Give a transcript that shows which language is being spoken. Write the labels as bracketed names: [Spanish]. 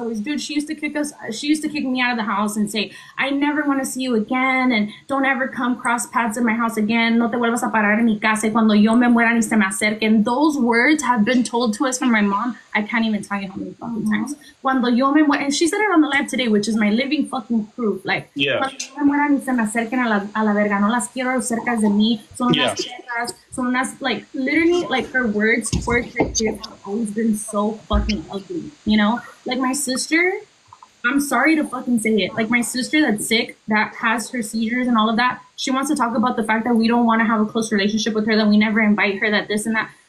[English] Dude, she used to kick me out of the house and say, I never want to see you again, and don't ever come cross paths in my house again. [Spanish] No te vuelvas a parar en mi casa cuando yo me muera ni se me acerque. [English] And those words have been told to us from my mom. I can't even tell you how many fucking times. [Spanish] Cuando yo me muera, [English] and she said it on the live today, which is my living fucking proof. Like, yeah. [Spanish] Cuando yo me muera ni se me acerquen a la verga. No las quiero cerca de mí. Son unas chicas. Son unas, [English] like, literally, like, her words towards her kids have always been so fucking ugly, you know? Like, my sister, I'm sorry to fucking say it. Like, my sister that's sick, that has her seizures and all of that, she wants to talk about the fact that we don't want to have a close relationship with her, that we never invite her, that this and that.